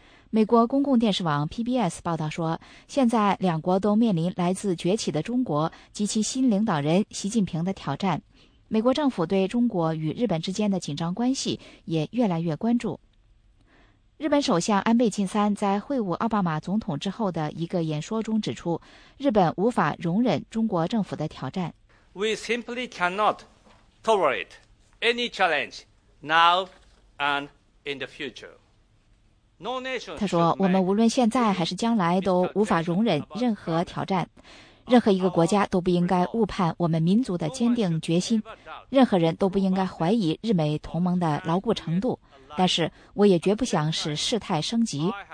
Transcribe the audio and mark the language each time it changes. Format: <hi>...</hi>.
<zh>美国公共电视网 PBS 报道说，现在两国都面临来自崛起的中国及其新领导人习近平的挑战。美国政府对中国与日本之间的紧张关系也越来越关注。日本首相安倍晋三在会晤奥巴马总统之后的一个演说中指出，日本无法容忍中国政府的挑战。</zh> <en>We simply cannot tolerate any challenge now and in the future. No nation.</en> <zh>他说，我们无论现在还是将来都无法容忍任何挑战。任何一个国家都不应该误判我们民族的坚定决心，任何人都不应该怀疑日美同盟的牢固程度，但是我也绝不想使事态升级。</zh>